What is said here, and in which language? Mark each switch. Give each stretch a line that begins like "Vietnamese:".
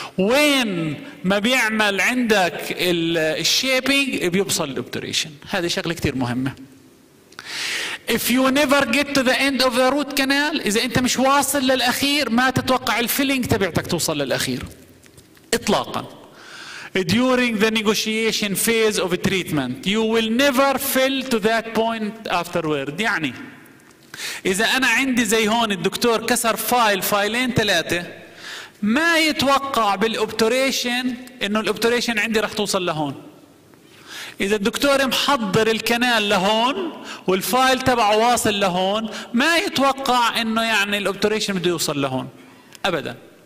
Arabic: وين ما بيعمل عندك الشيبينج بيوصل الاوبتوريشن. هذه شغله كثير مهمه.
English: If you never get to the end of the root canal،
Arabic: اذا انت مش واصل للاخير ما تتوقع الفيلينج تبعتك توصل للاخير اطلاقا.
English: During the negotiation phase of treatment you will never fill to that point afterward.
Arabic: يعني إذا أنا عندي زي هون الدكتور كسر فايل فايلين ثلاثة، ما يتوقع بالأوبتوريشن إنه الأوبتوريشن عندي رح توصل لهون. إذا الدكتور محضر الكنال لهون والفايل تبعه واصل لهون، ما يتوقع إنه يعني الأوبتوريشن بده يوصل لهون أبدا.